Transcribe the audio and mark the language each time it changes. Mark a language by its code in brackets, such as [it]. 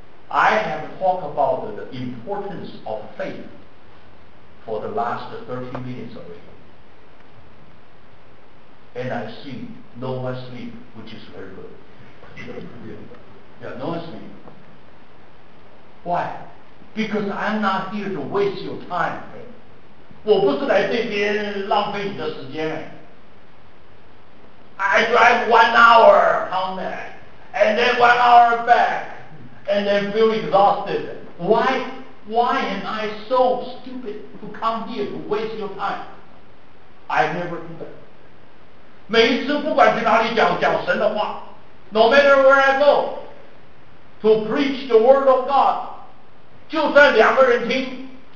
[en] I have talked about the importance of faith for the last 30 minutes already. And I see no one sleep, which is very good. Yeah, no one sleep. Why? Because I'm not here to waste your time. [zh] 我不是来这边浪费你的时间。 [en] I drive 1 hour down there, and then 1 hour back, and then feel exhausted. Why am I so stupid to come here to waste your time? I never do that. [zh] 每一次不管去哪里讲神的话 [en] No matter where I go To preach the word of God [zh] 就算两个人听